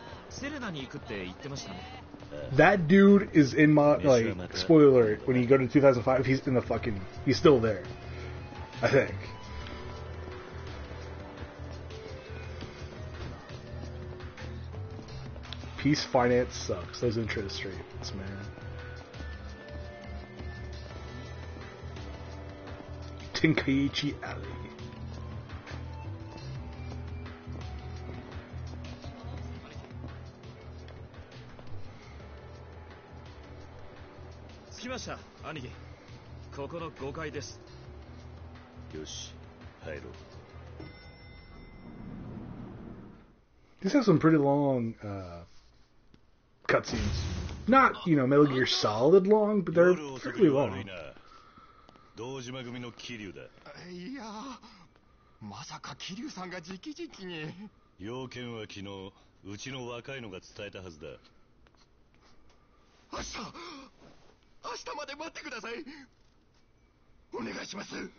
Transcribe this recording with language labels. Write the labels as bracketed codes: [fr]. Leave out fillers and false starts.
[ja] セレナに行くって言ってましたね。 [en] That dude is in my, like, spoiler alert, when you go to 2005, he's in the fucking, he's still there, I think. Peace finance sucks, those interest rates, man. Tenkaichi Alley. [ja] 来ました、兄貴。ここの5階です。よし、入ろう。 [en] This has some pretty long, cutscenes. Not, you know, Metal Gear Solid long, but they're pretty long. [ja] 堂島組の桐生だ。いや、まさか桐生さんが直々に。要件は昨日、うちの若いのが伝えたはずだ。明日明日まで待ってください。お願いします。